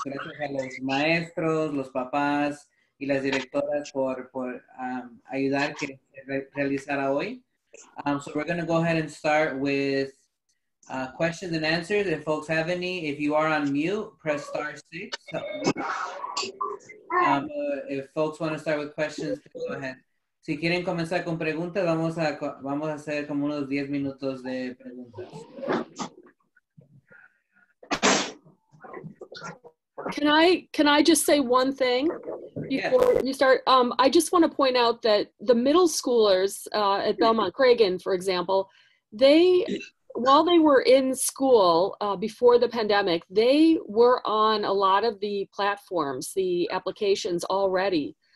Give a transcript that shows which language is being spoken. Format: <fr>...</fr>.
<es>Gracias a los maestros, los papás y las directoras por ayudar que realizara hoy.</es> <en>So we're going to go ahead and start with questions and answers. If folks have any, if you are on mute, press star 6. So, if folks want to start with questions, go ahead.</en> <es>Si quieren comenzar con preguntas, vamos a hacer como unos 10 minutos de preguntas.</es> <en>Can I just say one thing before you start? I just want to point out that the middle schoolers at Belmont Cragin, for example, they, while they were in school before the pandemic, they were on a lot of the platforms, the applications already.</en>